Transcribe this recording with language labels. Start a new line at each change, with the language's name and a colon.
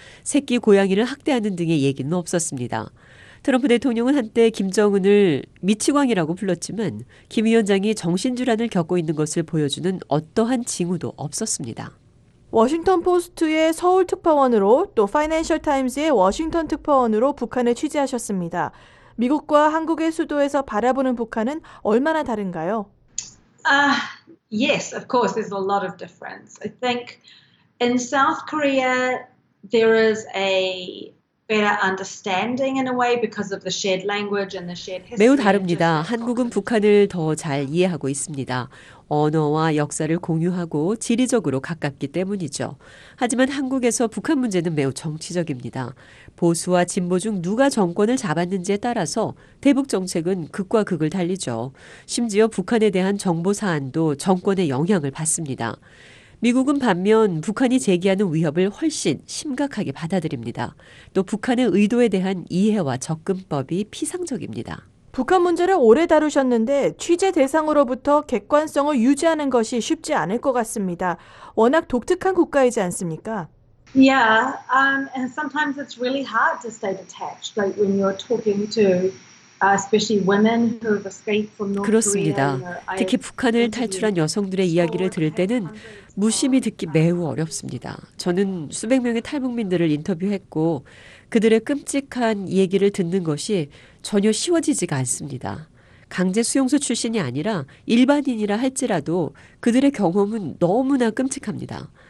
Korean: 새끼 고양이를 학대하는 등의 얘기는 없었습니다. 트럼프 대통령은 한때 김정은을 미치광이라고 불렀지만 김 위원장이 정신질환을 겪고 있는 것을 보여주는 어떠한 징후도 없었습니다. 워싱턴포스트의 서울 특파원으로 또 파이낸셜 타임즈의 워싱턴 특파원으로 북한을 취재하셨습니다. 미국과 한국의 수도에서 바라보는 북한은 얼마나 다른가요?
English: Yes, of course, there's a lot of difference. I think in South Korea, there is a better understanding in a way because of the shared language and the shared history.
Korean: 매우 다릅니다. 한국은 북한을 더 잘 이해하고 있습니다. 언어와 역사를 공유하고 지리적으로 가깝기 때문이죠. 하지만 한국에서 북한 문제는 매우 정치적입니다. 보수와 진보 중 누가 정권을 잡았는지에 따라서 대북 정책은 극과 극을 달리죠. 심지어 북한에 대한 정보 사안도 정권의 영향을 받습니다. 미국은 반면 북한이 제기하는 위협을 훨씬 심각하게 받아들입니다. 또 북한의 의도에 대한 이해와 접근법이 피상적입니다. 북한 문제를 오래 다루셨는데 취재 대상으로부터 객관성을 유지하는 것이 쉽지 않을 것 같습니다. 워낙 독특한 국가이지 않습니까?
English: Yeah, and sometimes it's really hard to stay detached, like when you're talking to.
Korean: 그렇습니다. 특히 북한을 탈출한 여성들의 이야기를 들을 때는 무심히 듣기 매우 어렵습니다. 저는 수백 명의 탈북민들을 인터뷰했고 그들의 끔찍한 얘기를 듣는 것이 전혀 쉬워지지가 않습니다. 강제 수용소 출신이 아니라 일반인이라 할지라도 그들의 경험은 너무나 끔찍합니다.